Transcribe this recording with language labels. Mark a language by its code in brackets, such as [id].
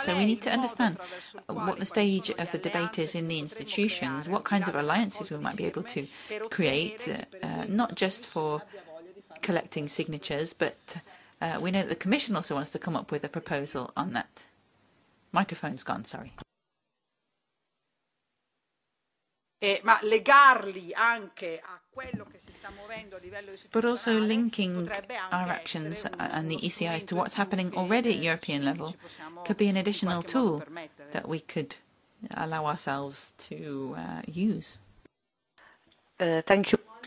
[en] So we need to understand what the stage of the debate is in the institutions, what kinds of alliances we might be able to create, not just for collecting signatures, but we know that the Commission also wants to come up with a proposal on that. Microphone's gone, sorry. [it] Ma legarli anche a quello che si sta muovendo a livello istituzionale. [en] But also linking our actions and the ECIs to what's happening already at European level could be an additional tool that we could allow ourselves to use. Thank you.